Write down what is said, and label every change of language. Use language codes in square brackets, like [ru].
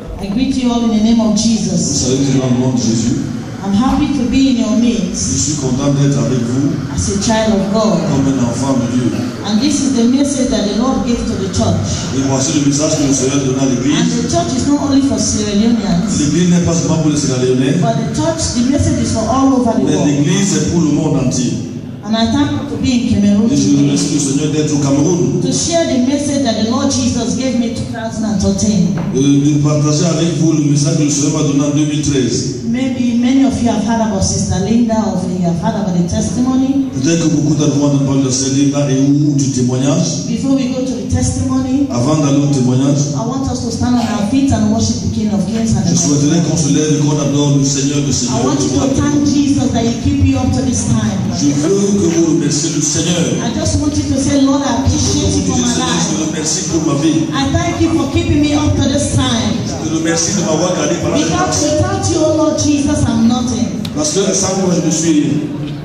[en] I greet you all in the name of Jesus. [fr] Salut le nom de Jésus. [en] I'm happy to be in your midst. [fr] Je suis content d'être avec vous. [en] As a child of God. [fr] Comme un enfant de Dieu. [en] And this is the message that the Lord gave to the church. [fr] Et voici le message que le Seigneur donne à l'église. [en] And the church is not only for Sierra Leoneans. [fr] L'église n'est pas seulement pour les Sierra Leoneans. [en] But the church, the message is for all over the world. [fr] Mais l'église est pour le monde entier. [en] And I thank God to be in Cameroon. [fr] Et je remercie le Seigneur d'être au Cameroun. [en] To share the message that the Lord Jesus gave me 2013. [fr] De partager avec vous le message que le Seigneur m'a donné en 2013. [en] Maybe many of you have heard about Sister Linda, or you have heard about the testimony. [fr] Peut-être que beaucoup d'entre vous ont parlé de Sister Linda et ou du témoignage. [en] Before we go to the testimony. [fr] Avant d'aller au témoignage. [en] I want us to stand on our feet and worship the King of Kings and [fr] Je souhaiterais qu'on se lève et qu'on adore le Seigneur de Seigneurs. [en] I want you to thank Jesus that He keep you up to this time. [fr] Que vous remerciez le Seigneur. [en] I just want you to say, Lord, I appreciate you for my life. [fr] Je remercie pour ma vie. [en] I thank you for keeping me up to this time. [fr] Je remercie de m'avoir gardé par la [en] grâce. Because without you, Lord Jesus, I'm nothing. [fr] Parce que sans moi, je ne suis rien.